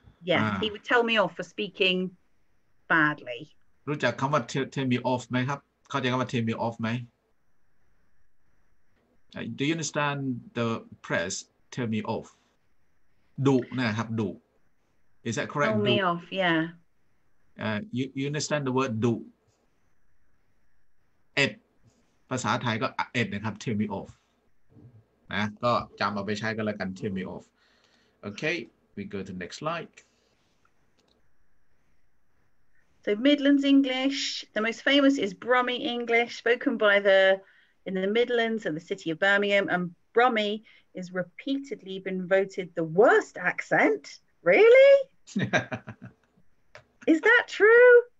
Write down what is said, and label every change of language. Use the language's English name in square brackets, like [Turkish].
[English] Yeah, he would tell me off for speaking badly. [Thai] รู้จักคำว่า [English] tell me off [Thai] ไหมครับเข้าใจคำว่า [English] tell me off ไหม Do you understand the press tell me off [Thai] ดุนะครับดุ [English] Is that correct? Tell me off, yeah. You understand the word [Thai] ดุเอ็ดภาษาไทยก็เอ็ดนะครับ [English] tell me off [Thai] นะก็จำเอาไปใช้ก็แล้วกัน [English] tell me off okay we go to next slide so Midlands English the most famous is Brummie English spoken by the in the Midlands and the city of Birmingham and Brummie is repeatedly been voted the worst accent really is that true